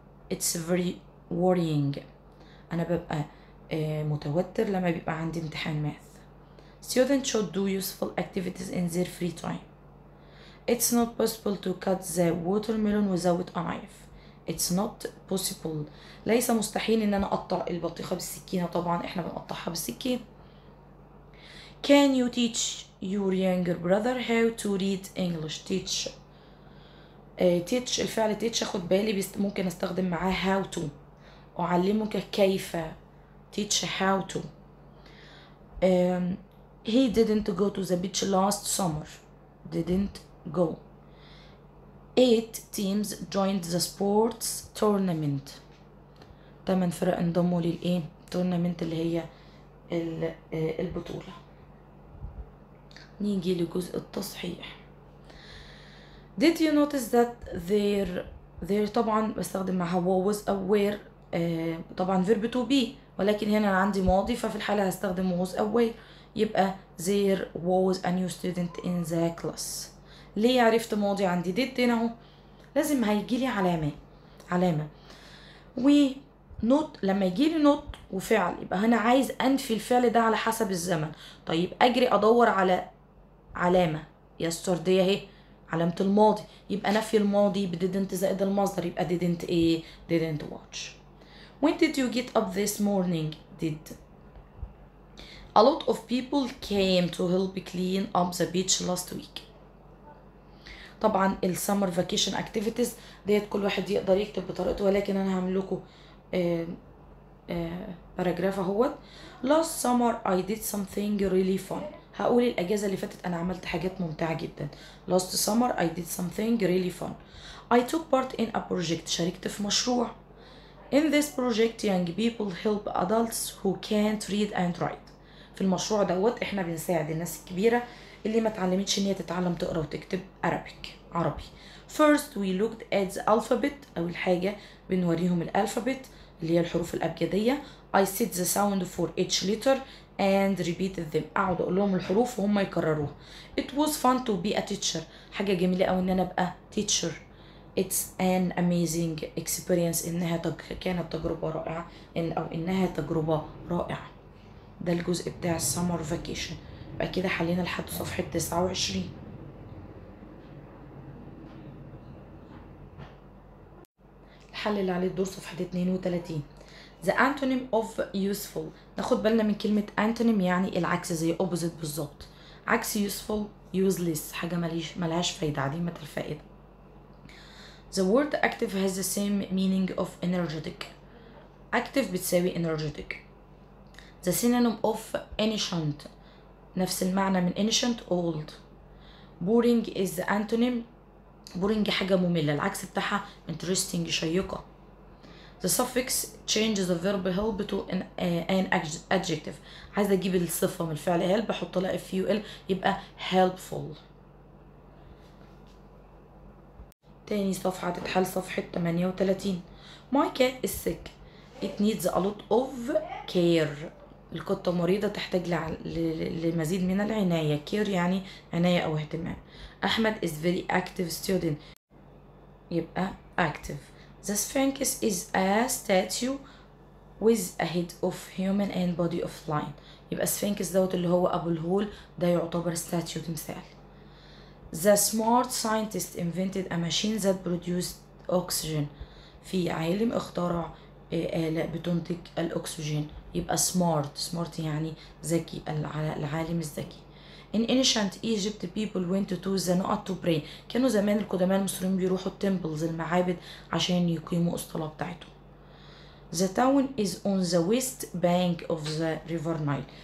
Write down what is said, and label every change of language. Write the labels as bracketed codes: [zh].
[en] It's very worrying. [ar] أنا ببقى متوتر لما بيبقى عندي امتحان math. [en] Students should do useful activities in their free time. It's not possible to cut the watermelon without a knife. It's not possible. [ar] ليس مستحيل ان انا اقطع البطيخة بالسكينة. طبعا احنا بنقطعها بالسكين. [en] Can you teach your younger brother how to read English? [ar] Teach. Teach الفعل teach اخد بالي ممكن استخدم معاه how to. اعلمك كيف. Teach how to. [en] He didn't go to the beach last summer. Didn't. Go. 8 teams joined the sports tournament. [ar] 8 فرق انضموا للايه؟ التورنمنت اللي هي البطولة. نيجي لجزء التصحيح. [en] Did you notice that there [ar] طبعا بستخدم معها [en] was aware. [ar] طبعا verb to be، ولكن هنا عندي ماضي، ففي الحالة هستخدم was aware. [en] يبقى there was a new student in the class. [ar] ليه عرفت ماضي عندي ديت هنا اهو؟ لازم هيجي لي علامه ونوت. لما يجي لي نوت وفعل يبقى هنا عايز انفي الفعل ده على حسب الزمن. طيب اجري ادور على علامه يستر، دي اهي علامه الماضي، يبقى نفي الماضي بديدنت زائد المصدر، يبقى ديدنت ايه؟ ديدنت واتش. [en] When did you get up this morning؟ Did. A lot of people came to help clean up the beach last week. [ar] طبعا السمر فاكيشن اكتيفيتيز ديت كل واحد يقدر يكتب بطريقته، ولكن انا هعمل لكم باراجراف اهوت. [en] Last summer I did something really fun. [ar] هقول الاجازه اللي فاتت انا عملت حاجات ممتعه جدا. [en] Last summer I did something really fun. I took part in a project. [ar] شاركت في مشروع. [en] In this project young people help adults who can't read and write. [ar] في المشروع دوت احنا بنساعد الناس الكبيره اللي ما تعلمتش ان هي تتعلم تقرا وتكتب عربي. [en] First we looked at the alphabet. [ar] اول حاجه بنوريهم الالفابت اللي هي الحروف الابجديه. [en] I set the sound for each letter and repeated them. [ar] اقعد اقول لهم الحروف وهم يكرروها. [en] It was fun to be a teacher. [ar] حاجه جميله قوي ان انا ابقى [en] teacher. It's an amazing experience. [ar] انها كانت تجربه رائعه انها تجربه رائعه. ده الجزء بتاع summer vacation. يبقى كده حلينا لحد صفحة 29. الحل اللي عليه الدور صفحة 32. [en] The antonym of useful. [ar] ناخد بالنا من كلمة antonym يعني العكس، زي opposite بالظبط. عكس useful useless، حاجة ملهاش فايدة، عديمة الفائدة. [en] The word active has the same meaning of energetic. active بتساوي energetic. The synonym of ancient. [ar] نفس المعنى من [en] ancient old. boring is the antonym. [ar] boring حاجة مملة، العكس بتاعها interesting شيقة. [en] the suffix change the verb help to an adjective. [ar] عايز اجيب الصفة من الفعل help احط لها ful يبقى helpful. تاني صفحة تتحل صفحة 38. [en] my cat is sick. it needs a lot of care. [ar] القطة مريضة تحتاج لمزيد من العناية. كير يعني عناية أو اهتمام. [en] أحمد is very active student. يبقى active. The Sphinx is a statue with a head of human and body of lion. [ar] يبقى Sphinx دوت اللي هو أبو الهول ده يعتبر statue تمثال. [en] The smart scientist invented a machine that produced oxygen. [ar] في عالم اخترع آلة بتنتج الأكسجين. يبقى smart. smart يعني ذكي، العالم الذكي. [en] In ancient Egypt people went to the نقط to pray. [ar] كانوا زمان القدماء المصريين بيروحوا التمبلز المعابد عشان يقيموا الصلاة بتاعتهم. [en] The town is on the west bank of the river Nile.